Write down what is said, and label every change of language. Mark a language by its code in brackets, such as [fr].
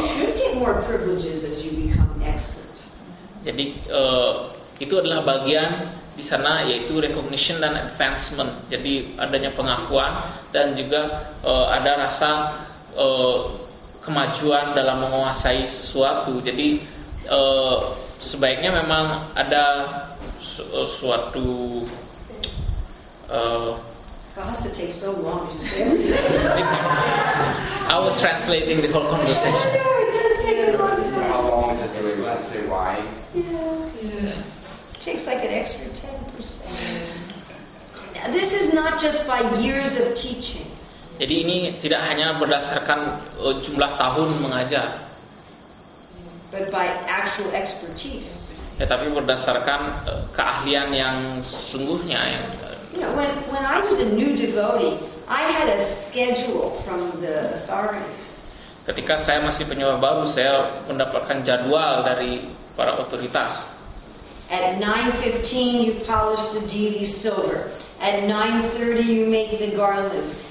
[en] you should get more privileges as you become next. [id] Jadi itu adalah bagian di sana, yaitu recognition dan advancement. Jadi adanya pengakuan dan juga ada rasa kemajuan dalam menguasai sesuatu. Jadi sebaiknya memang ada suatu [en] God, it takes so long to say. I was translating the whole conversation. No, it does take a long time. How long is it to really say why? Yeah. It takes like an extra 10%. Now, this is not just by years of teaching. [id] Jadi ini tidak hanya berdasarkan jumlah tahun mengajar. [en] But by actual expertise. [id] Tetapi berdasarkan keahlian yang sesungguhnya. [en] You know, when I was a new devotee, I had a schedule from the authorities. [id] Ketika saya masih penyewa baru, saya mendapatkan jadwal dari para otoritas. [en] At 9:15 you polish the deity's silver. At 9:30 you make the garlands.